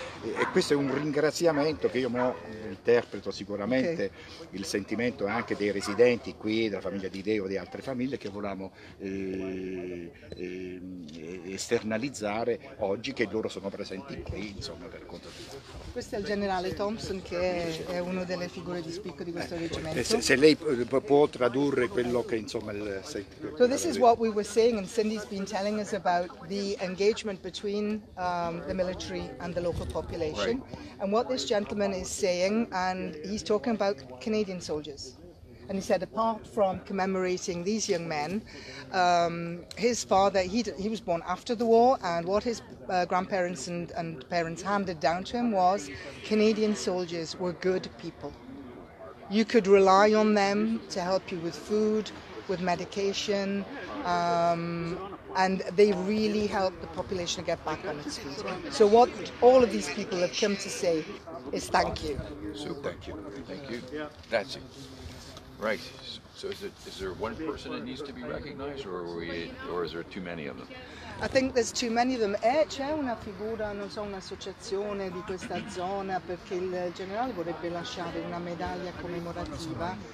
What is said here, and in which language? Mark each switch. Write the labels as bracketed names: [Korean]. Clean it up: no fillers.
[Italian] E questo è un ringraziamento che io mi interpreto sicuramente, okay, il sentimento anche dei residenti qui, della famiglia di Deo, di altre famiglie che volevamo esternalizzare oggi, che loro sono presenti qui, insomma, per conto di loro. Questo è il generale Thompson, che è una delle figure di spicco di questo reggimento. Se lei può tradurre quello che, insomma, il sentimento. [English] So this is what we were saying, and Cindy's been telling us about the engagement between the military and the local population, right, and what this gentleman is saying, and he's talking about Canadian soldiers, and he said apart from commemorating these young men, his father, he was born after the war, and what his grandparents and parents handed down to him was Canadian soldiers were good people. You could rely on them to help you with food, with medication, and they really helped the population get back on its feet. So what all of these people have come to say is thank you. Super. Thank you. Thank you. That's it. Right. So is there one person that needs to be recognized, or is there too many of them? I think there's too many of them. [Italian] C'è una figura, non so, un'associazione di questa zona, perché il generale vorrebbe lasciare una medaglia commemorativa.